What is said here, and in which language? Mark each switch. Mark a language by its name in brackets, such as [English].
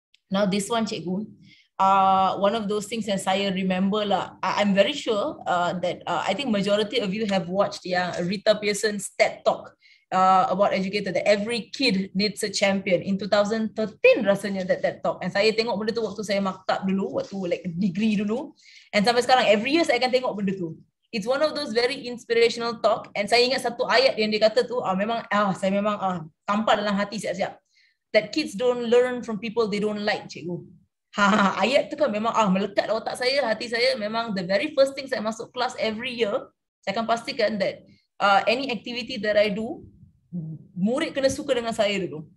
[English] Now this one, cikgu, one of those things that saya remember lah. I'm very sure that I think majority of you have watched yeah Rita Pearson's TED Talk about educator that every kid needs a champion in 2013 rasanya that talk. [Malay] And saya tengok benda tu waktu saya maktab dulu, waktu like degree dulu. And sampai sekarang every year saya akan tengok benda tu. [English] It's one of those very inspirational talk. [Malay] And saya ingat satu ayat yang dia kata tu, saya memang tampak dalam hati siap-siap. [English] That kids don't learn from people they don't like, cikgu. [Malay] Ha, ayat tu kan memang melekat otak saya, hati saya. Memang the very first thing saya masuk kelas every year, saya akan pastikan [English] that any activity that I do, [Malay] murid kena suka dengan saya dulu.